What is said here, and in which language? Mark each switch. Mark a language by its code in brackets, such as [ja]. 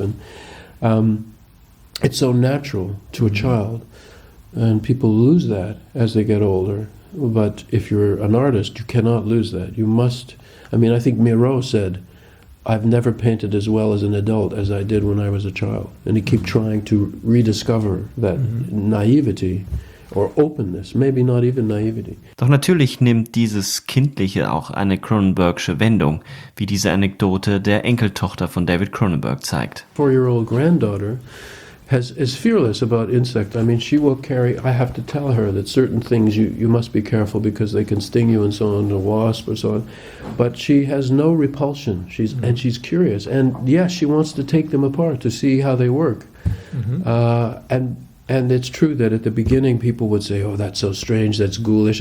[en] And it's so natural to a child, and people lose that as they get older. But if you're an artist, you cannot lose that. You must, I mean, I think Miró said, I've never painted as well as an adult as I did when I was a child. And he keep trying to rediscover that mm-hmm. naivety or openness, maybe not even naivety. [de] Doch natürlich nimmt dieses Kindliche auch eine Cronenbergsche Wendung, wie diese Anekdote der Enkeltochter von David Cronenberg zeigt. [en] 4-year-old granddaughter is fearless about insect. I mean, she will carry, I have to tell her that certain things you must be careful because they can sting you and so on, a wasp or so on. But she has no repulsion. She's mm-hmm. and she's curious. And yes, she wants to take them apart to see how they work. Mm-hmm. And it's true that at the beginning people would say, oh, that's so strange, that's ghoulish.